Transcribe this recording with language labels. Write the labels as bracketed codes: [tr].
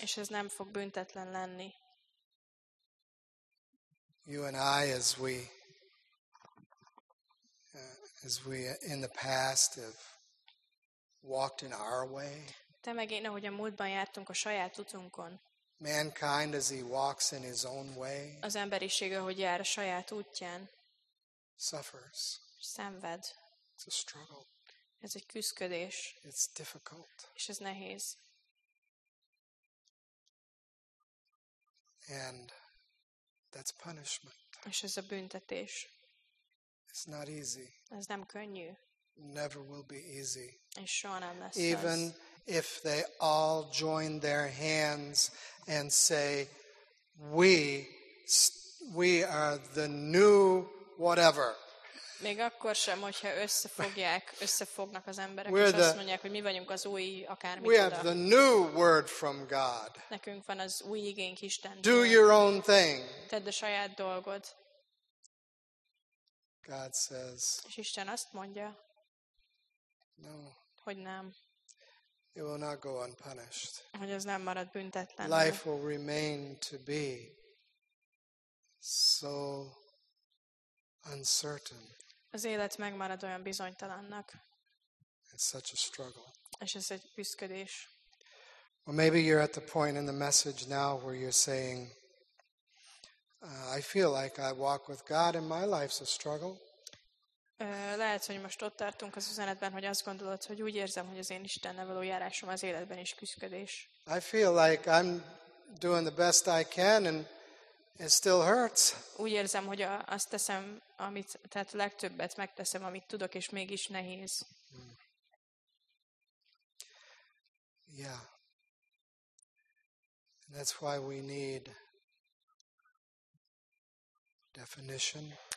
[hu] És ez nem fog büntetlen lenni. [en] You and I, as we in the past have walked in our way. [hu] Te meg én, ahogy a múltban jártunk a saját utunkon. [en] Mankind as he walks in his own way. [hu] Az emberiség, ahogy jár a saját útján. [en] Suffers. [hu] Szenved. [en] It's a struggle. [hu] Ez egy küszködés. [en] It's difficult. [hu] És ez nehéz. [en] And that's punishment. [hu] És ez a büntetés. [en] It's not easy. [hu] Ez nem könnyű. [en] Never will be easy. [hu] És soha nem lesz. [en] Even if they all join their hands and say, we are the new whatever. [hu] Még akkor sem, hogyha összefognak az emberek, és azt mondják, hogy mi vagyunk az új akármikoda. [en] We have the new word from God. [hu] Nekünk van az új igénk Istentől. [en] Do your own thing. [hu] Tedd a saját dolgod. [en] God says. [hu] És Isten azt mondja. [en] No. [hu] Hogy nem. [en] It will not go unpunished. [hu] Hogy ez nem marad büntetlen. [en] Life will remain to be so uncertain. [hu] Az élet megmarad olyan bizonytalannak. [en] It's such a struggle. [hu] És ez egy küzdködés. [en] Well, maybe you're at the point in the message now where you're saying, I feel like I walk with God and my life's a struggle. [hu] Lehet, hogy most ott tartunk az üzenetben, hogy azt gondolod, hogy úgy érzem, hogy az én Istennel való járásom az életben is küzdködés. [en] I feel like I'm doing the best I can and it still hurts. [hu] Úgy érzem, hogy azt teszem, amit, tehát a legtöbbet megteszem, amit tudok, és mégis nehéz. [en] Yeah. And that's why we need definition.